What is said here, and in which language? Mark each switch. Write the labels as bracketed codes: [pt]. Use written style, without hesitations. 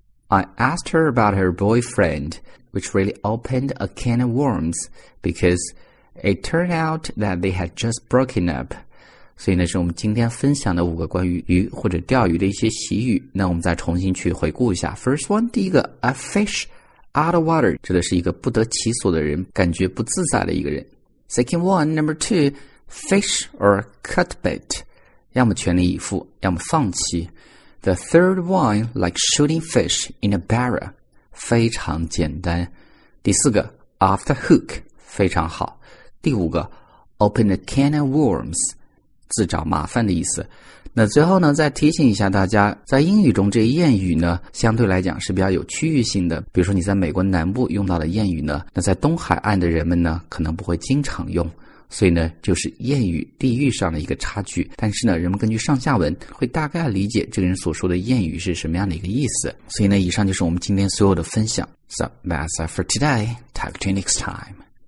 [en] I asked her about her boyfriend, which really opened a can of worms because it turned out that they had just broken up. [zh] 所以呢，是我们今天分享的五个关于鱼或者钓鱼的一些习语。那我们再重新去回顾一下。 [en] First one， [zh] 第一个 ， [en] a fish out of water， [zh] 指的是一个不得其所的人，感觉不自在的一个人。 [en] Second one，number two，fish or cut bait， [zh] 要么全力以赴，要么放弃。 [en] The third one，like shooting fish in a barrel， [zh] 非常简单。第四个 ， [en] off the hook， [zh] 非常好。第五个 [en] ，open a can of worms。 [zh] 自找麻烦的意思。那最后呢，再提醒一下大家，在英语中这些谚语呢，相对来讲是比较有区域性的。比如说你在美国南部用到的谚语呢，那在东海岸的人们呢，可能不会经常用。所以呢，就是谚语地域上的一个差距。但是呢，人们根据上下文会大概理解这个人所说的谚语是什么样的一个意思。所以呢，以上就是我们今天所有的分享。 [en] So that's all for today. Talk to you next time.